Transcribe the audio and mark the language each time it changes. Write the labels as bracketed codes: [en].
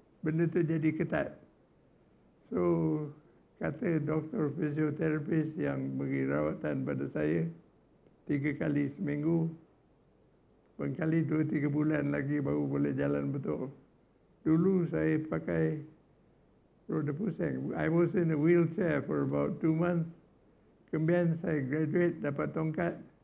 [ms] Benda tu jadi ketat. So, kata doktor fisioterapis yang beri rawatan pada saya 3 kali seminggu. Pengkali 2-3 bulan lagi baru boleh jalan betul. Dulu saya pakai roda pusing. [en] I was in a wheelchair for about 2 months. [ms] Kemudian saya graduate, dapat tongkat.